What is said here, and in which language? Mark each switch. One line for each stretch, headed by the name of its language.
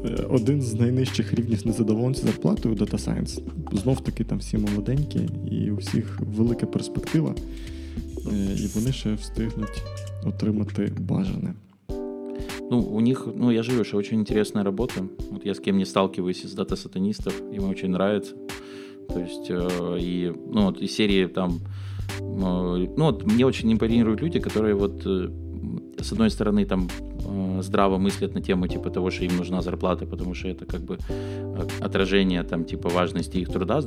Ukrainian: Один з найнижчих рівнів незадоволеності зарплатою – Data Science. Знов-таки там всі молоденькі, і у всіх велика перспектива, і вони ще встигнуть отримати бажане.
Russian: Ну, у них, ну, я живу, что очень интересная работа. Вот я с кем не сталкиваюсь из дата-сатанистов, им очень нравится. То есть, и, ну, вот из серии там, ну, вот мне очень импонируют люди, которые вот, с одной стороны, там, здраво мыслят на тему, типа, того, что им нужна зарплата, потому что это, как бы, отражение, там, типа, важности их труда.